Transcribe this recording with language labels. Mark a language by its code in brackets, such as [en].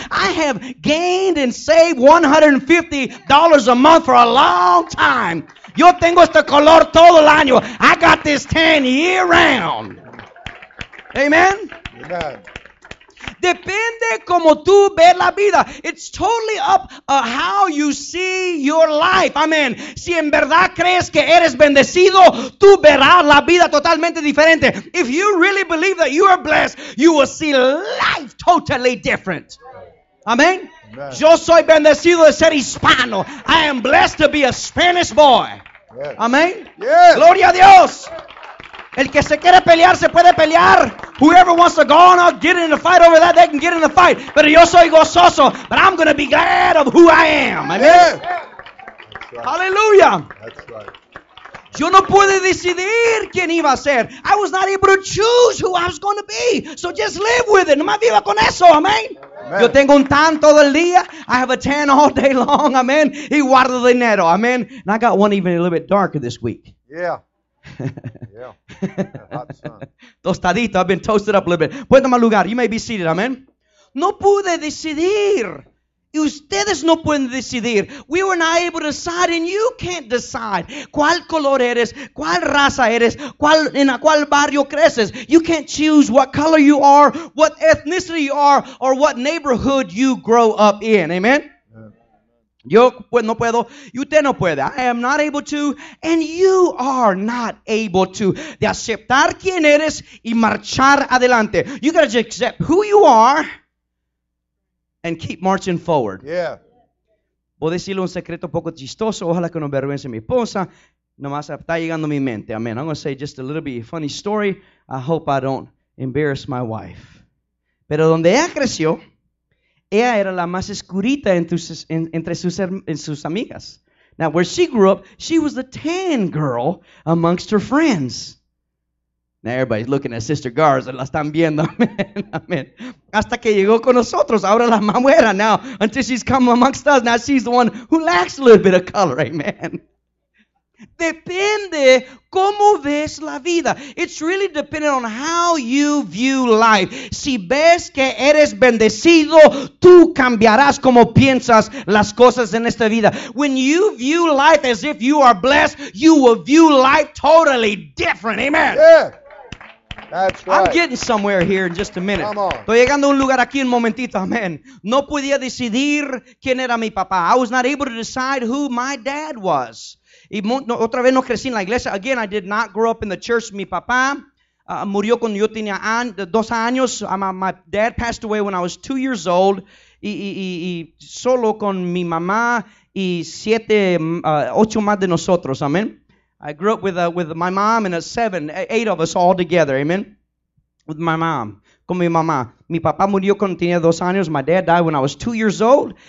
[en] I have gained and saved $150 a month for a long time. [es] Yo tengo este color todo el año. [en] I got this tan year round. Amen? Amen. [es] Depende como tú ves la vida. [en] It's totally up how you see your life. Amen. [es] Si en verdad crees que eres bendecido, tú verás la vida totalmente diferente. [en] If you really believe that you are blessed, you will see life totally different. Amen. Amen. [es] Yo soy bendecido de ser hispano. [en] I am blessed to be a Spanish boy. Yes. Amen. Yes. [es] Gloria a Dios. El que se quiere pelear, se puede pelear. [en] Whoever wants to go on, I'll get in a fight over that, they can get in a fight. But [es] yo soy gozoso, [en] but I'm going to be glad of who I am. Amen. Yeah. That's right. Hallelujah. That's right. [es] Yo no pude decidir quién iba a ser. [en] I was not able to choose who I was going to be. So just live with it. [es] Nomás viva con eso. Amén. Yo tengo un tan todo el día. [en] I have a tan all day long. Amén. [es] Y guardo dinero. [en] Amén. And I got one even a little bit darker this week. Yeah. Yeah. Hot sun. [es] Tostadito. [en] I've been toasted up a little bit. [es] Puedo más lugar. [en] You may be seated. Amén. [es] No pude decidir. Y ustedes no pueden decidir. [en] We were not able to decide, and you can't decide. [es] ¿Cuál color eres? ¿Cuál raza eres? ¿Cuál, en a cuál barrio creces? [en] You can't choose what color you are, what ethnicity you are, or what neighborhood you grow up in. Amen. [es] Yo pues no puedo, y usted no puede. [en] I am not able to, and you are not able to. [es] De aceptar quién eres y marchar adelante. [en] You gotta just accept who you are and keep marching forward. Yeah. [es] Voy a decirle un secreto un poco chistoso. Ojalá que no avergüence mi esposa. Nomás está llegando a mi mente. Amen. [en] I'm gonna say just a little bit of a funny story. I hope I don't embarrass my wife. [es] Pero donde ella creció, ella era la más escurita entre sus amigas. [en] Now, where she grew up, she was the tan girl amongst her friends. Now, everybody's looking at Sister Garza. [es] La están viendo. [en] Amen. Amen. [es] Hasta que llegó con nosotros. Ahora la más güera. [en] Now, until she's come amongst us, now she's the one who lacks a little bit of color. Amen. [es] Depende cómo ves la vida. [en] It's really dependent on how you view life. [es] Si ves que eres bendecido, tú cambiarás cómo piensas las cosas en esta vida. [en] When you view life as if you are blessed, you will view life totally different. Amen. Yeah. That's right. I'm getting somewhere here in just a minute. Come on. [es] Estoy llegando a un lugar aquí un momentito. Amen. No podía decidir quién era mi papá. [en] I was not able to decide who my dad was. [es] Y otra vez no crecí en la iglesia. [en] Again, I did not grow up in the church. [es] Mi papá murió cuando yo tenía dos años. [en] My dad passed away when I was 2 years old. [es] Y solo con mi mamá y ocho más de nosotros. [en] Amen. I grew up with my mom and eight of us all together. [es] Amen. [en] With my mom. [es] Con mi mamá. Mi papá murió cuando tenía dos años. [en] My dad died when I was 2 years old.